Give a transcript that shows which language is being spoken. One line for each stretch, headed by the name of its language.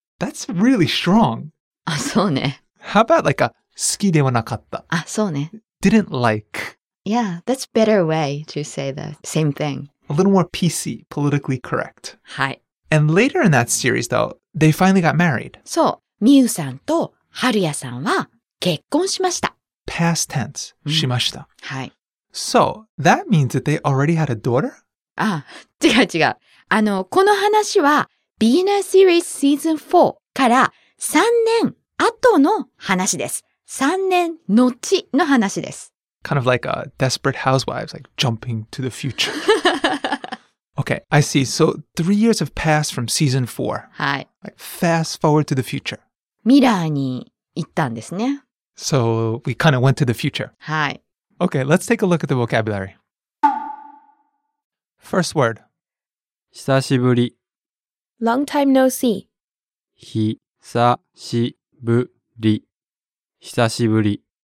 English: That's really strong.
Japanese: あ、そうね。
English: How about like a
Japanese: 好きではなかった? あ、そうね。
English: Didn't like. Yeah, that's a better way to say the same thing. A little more PC, politically correct.
Japanese: はい。
English: And later in that series, though, they finally got married.
Japanese: そう、ミユさんとハルヤさんは結婚しました。
English: Past tense,、
Japanese: しました。はい。
English: So, that means that they already had a daughter?
Japanese: ああ、違う違う。あの、この話は Beginner Series Season 4から3年後の話です。 3年後の話です。
English: Kind of like a desperate housewives, like jumping to the future. Okay, I see. So 3 years have passed from season 4.
Japanese: はい。
English: Like fast forward to the future.
Japanese: ミラーに行ったんですね。
English: So we kind of went to the future.
Japanese: はい。
English: Okay, let's take a look at the vocabulary. First word.
Japanese: 久しぶり。
English: Long time no see.
Japanese: 久しぶり。久しぶり。